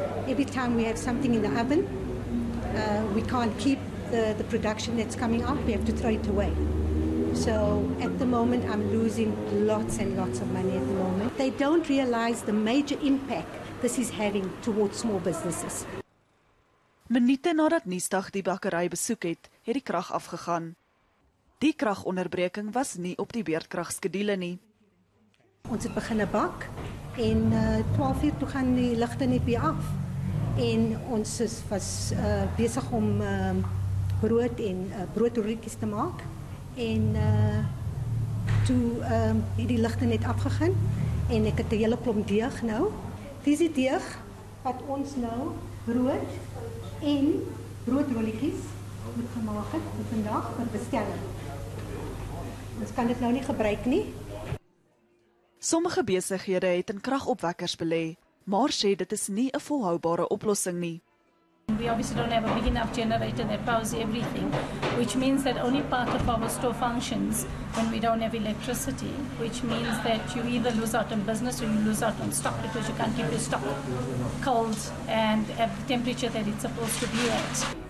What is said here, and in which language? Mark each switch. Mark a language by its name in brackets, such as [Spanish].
[English] Every time we have something in the oven, we can't keep the production that's coming out, we have to throw it away. So at the moment I'm losing lots and lots of money at the moment. They don't realize the major impact this is having towards small businesses. [Afrikaans] Minute nadat Nuusdag die bakkery besoek het, het die krag afgegaan. Die kragonderbreking was nie op die beerdkragskedule nie. Ons het begin 'n bak en 12:00 toe gaan die ligte net weer af. En ons is was besig om brood en broodroetjies te maak. En het die ligte net afgegaan en ek het 'n hele klomp deeg nou. Dis die deeg wat ons nou brood en broodrolletjies moet gemaak het vir vandag vir bestelling. Ons kan dit nou nie gebruik nie. Sommige besighede het in kragopwekkers belê, maar sê dit is nie 'n volhoubare oplossing nie. [English] We obviously don't have a big enough generator that powers everything, which means that only part of our store functions when we don't have electricity, which means that you either lose out on business or you lose out on stock because you can't keep your stock cold and at the temperature that it's supposed to be at.